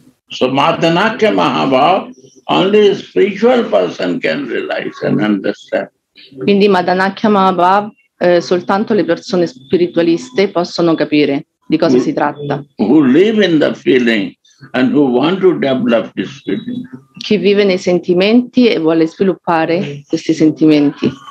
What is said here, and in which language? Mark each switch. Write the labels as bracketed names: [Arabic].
[English] So Madanakya Mahabhav, only a spiritual person can realize and understand. [Italian] Quindi Madanakya Mahabhav, soltanto le persone spiritualiste possono capire di cosa si tratta. [English] Who live in the feeling and who want to develop this feeling. [Italian] Chi vive nei sentimenti e vuole sviluppare questi sentimenti.